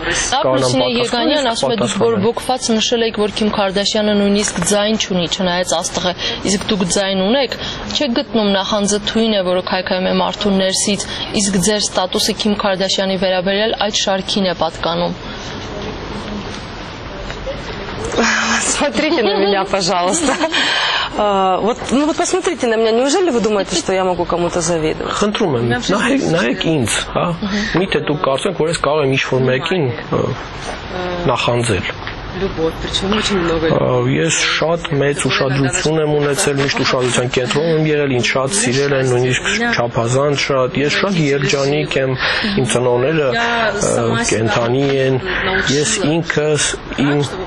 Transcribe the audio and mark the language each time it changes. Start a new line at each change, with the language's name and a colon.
Armenian: Ակուսինե Եգանյան ասում է, դուք որ բոկված նշել եք, որ Քիմ Քարդաշյանը նույնիսկ ձայն չունի, չնայած աստղը, իսկ դուք ձայն ունեք, չեք գտնում նախանձը թույն է, որը քայքայում է մարդու ներսից, իսկ ձեր ստատուսը Քիմ Քարդաշյանի վերաբերյալ այդ շարքին է պատկանում։
Russian: Смотрите на меня, пожалуйста. Вот посмотрите на меня. Неужели вы думаете, что я могу кому-то завидовать?
Armenian: Խնդրում եմ, նայեք ինձ, հա? Միթե դուք կարծեք, որ ես կարող եմ ինչ-որ մեկին նախանձել։ Ես շատ մեծ ուշադրություն եմ ունեցել, միշտ ուշադրության կենտրոնում եմ եղել, ինձ շատ սիրել են, նույնիսկ չափազանց շատ, ես շատ երջանիկ եմ, իմ ծնողները կենդանի են, ես ինքս իմ